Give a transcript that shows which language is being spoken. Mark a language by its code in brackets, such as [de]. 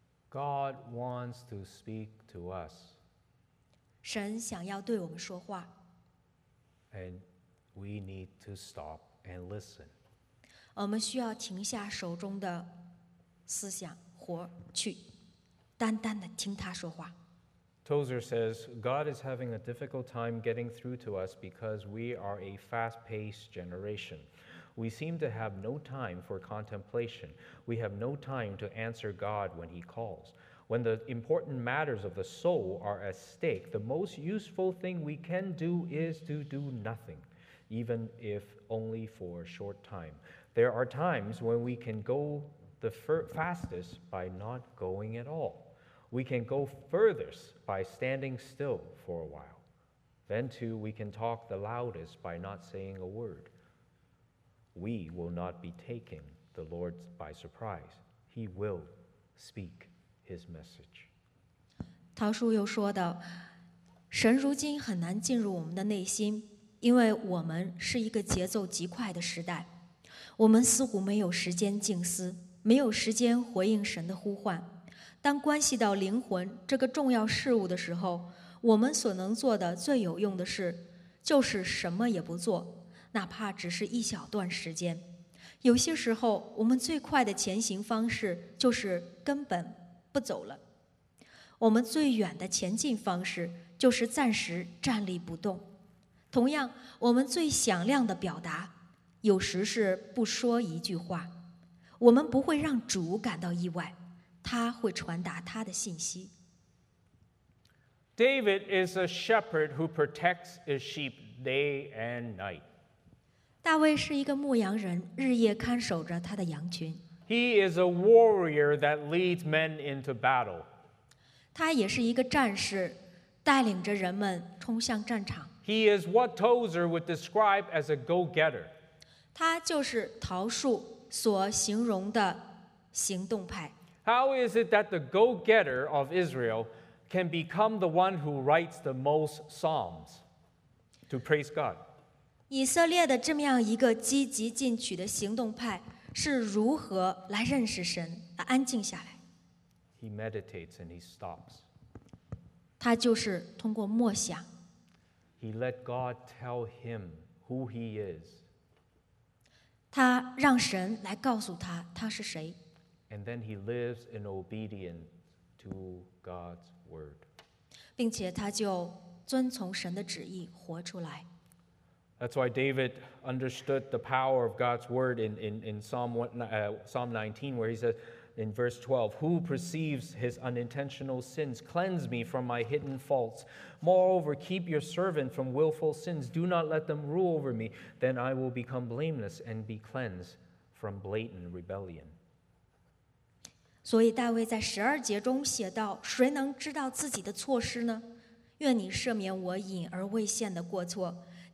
[en] God wants to speak to us. [zh] 神想要对我们说话。 [en] And we need to stop and listen. [zh] 我们需要停下手中的思想活去单单的听他说话。 [en] Tozer says, God is having a difficult time getting through to us because we are a fast-paced generation. We seem to have no time for contemplation. We have no time to answer God when he calls. When the important matters of the soul are at stake, the most useful thing we can do is to do nothing, even if only for a short time. There are times when we can go the fastest by not going at all. We can go furthest by standing still for a while. Then too, we can talk the loudest by not saying a word. We will not be taken the Lord by surprise. He will speak his message. [zh] 陶叔又说道，神如今很难进入我们的内心，因为我们是一个节奏极快的时代。我们似乎没有时间静思，没有时间回应神的呼唤。当关系到灵魂这个重要事物的时候，我们所能做的最有用的事，就是什么也不做。哪怕只是一小段时间，有些时候我们最快的前行方式就是根本不走了。我们最远的前进方式就是暂时站立不动。同样，我们最响亮的表达有时是不说一句话。我们不会让主感到意外，他会传达他的信息。 [en] David is a shepherd who protects his sheep day and night. [zh] 大卫是一个牧羊人，日夜看守着他的羊群。 [en] He is a warrior that leads men into battle. [zh] 他也是一个战士，带领着人们冲向战场。 [en] He is what Tozer would describe as a go-getter. [zh] 他就是陶树所形容的行动派。 [en] How is it that the go-getter of Israel can become the one who writes the most psalms to praise God? [zh] 以色列的这么样一个积极进取的行动派是如何来认识神，来安静下来？ [en] He meditates and he stops. [zh] 他就是通过默想。 [en] He let God tell him who he is. [zh] 他让神来告诉他他是谁。 [en] And then he lives in obedience to God's word. [zh] 并且他就遵从神的旨意活出来。 [en] That's why David understood the power of God's word in Psalm 19, where he says in verse 12, "Who perceives his unintentional sins? Cleanse me from my hidden faults. Moreover, keep your servant from willful sins. Do not let them rule over me. Then I will become blameless and be cleansed from blatant rebellion." [zh] 所以大卫在十二节中写道：“谁能知道自己的错失呢？愿你赦免我隐而未现的过错。”